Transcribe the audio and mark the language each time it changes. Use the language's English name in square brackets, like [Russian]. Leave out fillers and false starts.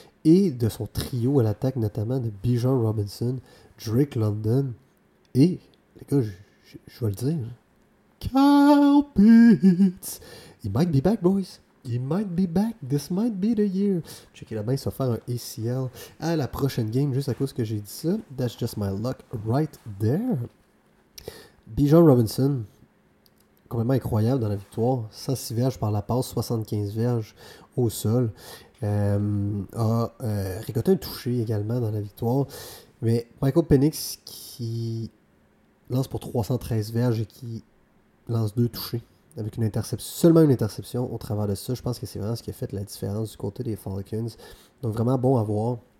[French] et de son trio à l'attaque, notamment de Bijan Robinson, Drake London et, les gars, je vais le dire, Kyle Pitts. [English] He might be back, boys. He might be back. This might be the year. [French] Checker là-bas, il va faire un ACL à la prochaine game, juste à cause que j'ai dit ça. [English] That's just my luck right there. [French] Bijan Robinson, complètement incroyable dans la victoire. 106 verges par la passe, 75 verges au sol. A récolté un touché également dans la victoire. Mais Michael Penix qui lance pour 313 verges et qui lance deux touchés avec une interception, seulement une interception au travers de ça. Je pense que c'est vraiment ce qui a fait la différence du côté des Falcons. Donc vraiment bon à voir.